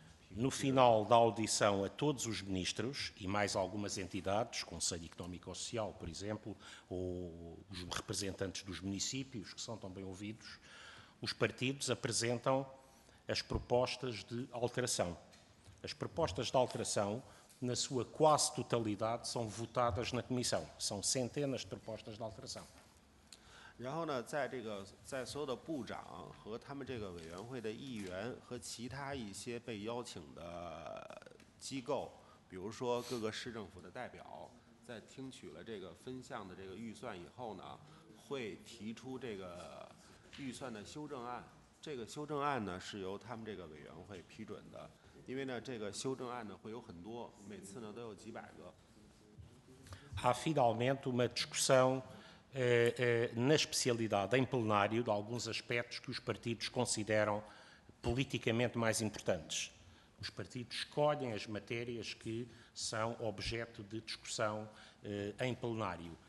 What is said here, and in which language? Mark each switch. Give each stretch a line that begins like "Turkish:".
Portuguese: No final da audição a todos os ministros e mais algumas entidades, Conselho Económico ou Social, por exemplo, ou os representantes dos municípios, que são também ouvidos, os partidos apresentam as propostas de alteração. As propostas de alteração, na sua quase totalidade, são votadas na comissão. São centenas de propostas de alteração.
Chinese: 然后呢，在这个在所有的部长和他们这个委员会的议员和其他一些被邀请的机构，比如说各个市政府的代表，在听取了这个分项的这个预算以后呢，会提出这个预算的修正案。这个修正案呢，是由他们这个委员会批准的。因为呢，这个修正案呢会有很多，每次呢都有几百个。
Portuguese: Há finalmente uma discussão na especialidade, em plenário, de alguns aspectos que os partidos consideram politicamente mais importantes. Os partidos escolhem as matérias que são objeto de discussão em plenário.